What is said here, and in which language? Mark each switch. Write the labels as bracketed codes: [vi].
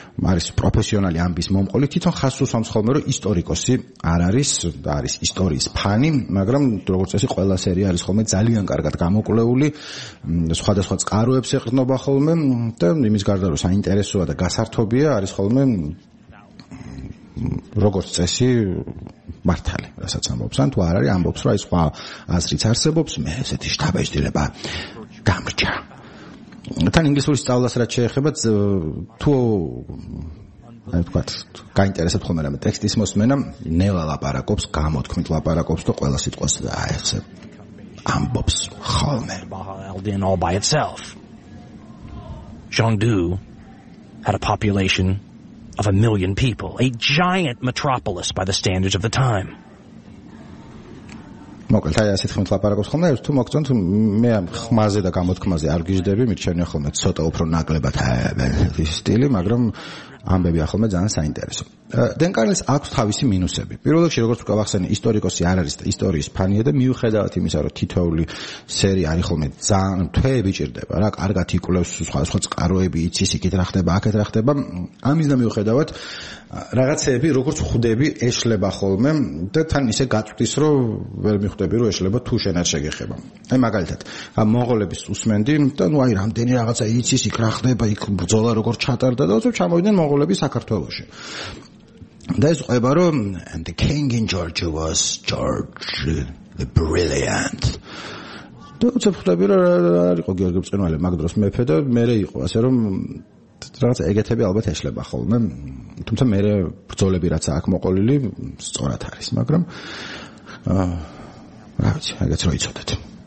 [ka] არის პროფესიონალი ამბის მომყოლი, თვითონ ხას უსვამს ხოლმე, რომ ისტორიკოსი არ არის და არის ისტორიის ფანი, მაგრამ როგორც წესი ყველა სერია არის ხოლმე ძალიან კარგად გამოკვლეული, სხვადასხვა წყაროებს ეყრდნობა ხოლმე და იმის გარდა რომ საინტერესოა და გასართობია, არის ხოლმე როგორც წესი მართალი, რასაც ამბობს, ან თუ არ არის ამბობს, რომ აი სხვა აზრიც არსებობს, მე ესეთი შთაბეჭდილება გამრჩა. თან ინგლისურის სწავლას რაც შეეხება, თუ აი ვთქვათ, გაინტერესებთ ხოლმე რამე ტექსტის მოსმენა, ნელა ლაპარაკობს, გამოთქმით ლაპარაკობს და ყველა სიტყვას აეს ამბობს ხოლმე. [en] Chengdu had a population of 1 million people, a giant metropolis by the standards of the time. [ka] მოკლედ აი ასეთ ხმით ლაპარაკობს ხოლმე, თუ მოგწონთ, მე ამ ხმაზე და გამოთქმაზე არ გიჟდები, მირჩენია ხოლმე ცოტა უფრო ნაკლებად ეს სტილი, მაგრამ ამბები ახლა ძალიან საინტერესო. დენ კარლის აქვს თავისი მინუსები. პირველ რიგში, როგორც ვთქვა, ახსენე, ისტორიკოსი არ არის და ისტორიის ფანია და მიუხედავად იმისა, რომ თითოეული სერია არის ხოლმე ძალიან თვეები ჭირდება რა, კარგად იკვლევს სხვადასხვა წყაროები, იცის იქით რა ხდება, აქეთ რა ხდება, ამის და მიუხედავად რაღაცეები როგორც ხვდები, ეშლება ხოლმე და თან ისე გაწვდის, რომ ვერ მიხვდები, რომ ეშლება თუ შენად შეგეხება. აი მაგალითად, მონღოლების უსმენდი და ნუ აი რამდენი რაღაცა იცის იქ რა ხდება, იქ ბრძოლა როგორ ჩატარდა და უცებ ჩამოვიდნენ მონღოლები საქართველოში. და ეს ყובה რომ [en] the king in Georgia was George the Brilliant. [ka] და უცებ ხვდები, რომ არ იყო გიორგი ბრწყინვალე მაგ დროს მეფე და მერე იყო, ასე რომ რაღაცა ეგეთები ალბათ ეშლება ხოლმე. თუმცა მე ბრძოლები რაც აქვს მოყოლილი სწორად არის, მაგრამ რა ვიცი, რაღაც როიცოდეთ.